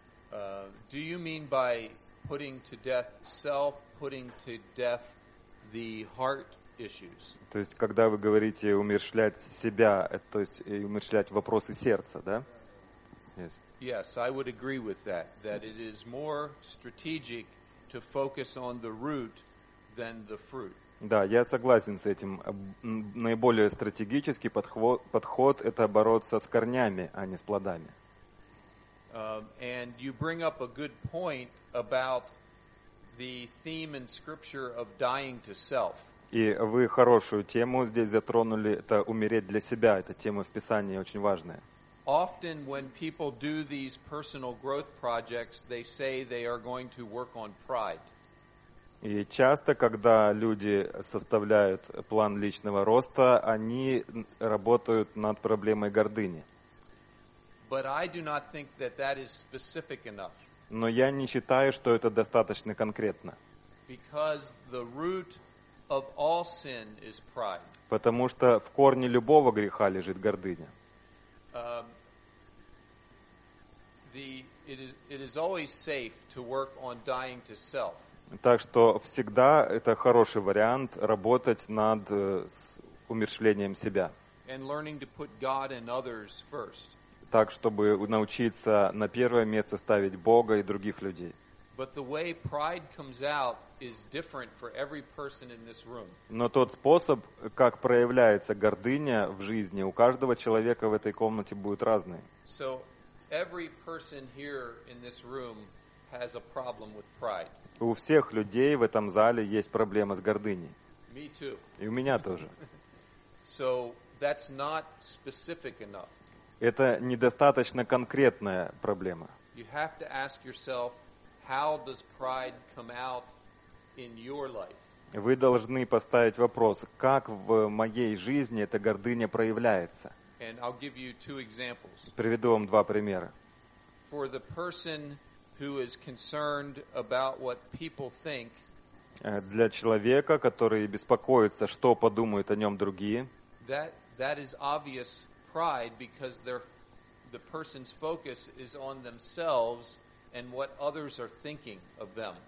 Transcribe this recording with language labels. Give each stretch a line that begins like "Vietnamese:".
English: Do you mean by putting to death self, putting to death the heart issues?
Russian: То есть, когда вы говорите умерщвлять себя, то есть и умерщвлять вопросы сердца, да?
English: Yes. Yes, I would agree with that. That it is more strategic to focus on the root than the fruit.
Russian: Да, я согласен с этим. Наиболее стратегический подход – это бороться с корнями, а не с плодами.
English: And you bring up a good point about the theme in Scripture of dying to self.
Russian: И вы хорошую тему здесь затронули – это умереть для себя. Эта тема в Писании очень важная.
English: Often when people do these personal growth projects, they say they are going to work on pride.
Russian: И часто, когда люди составляют план личного роста, они работают над проблемой гордыни.
English: But I do not think that that is specific enough.
Russian: Но я не считаю, что это достаточно конкретно.
English: Because the root of all sin is pride.
Russian: Потому что в корне любого греха лежит гордыня.
English: It is always safe to work on dying to self.
Russian: Так что всегда это хороший вариант работать над умерщвлением себя.
English: And learning to put God and others first.
Russian: Так, чтобы научиться на первое место ставить Бога и других людей.
English: But the way pride comes out is different for every person in this room.
Russian: Но тот способ, как проявляется гордыня в жизни, у каждого человека в этой комнате будет разный.
English: So every person here in this room has a problem with pride.
Russian: У всех людей в этом зале есть проблема с гордыней.
English: Me too.
Russian: И у меня тоже.
English: So that's not specific enough.
Russian: Это недостаточно конкретная проблема.
English: You have to ask yourself, how does pride come out in your life?
Russian: Вы должны поставить вопрос, как в моей жизни эта гордыня проявляется?
English: And I'll give you two examples.
Russian: Приведу вам два примера.
English: For the person who is concerned about what people think,
Russian: для человека, который беспокоится, что подумают о нем другие,
English: that is obvious pride because the person's focus is on themselves and what others are thinking of them.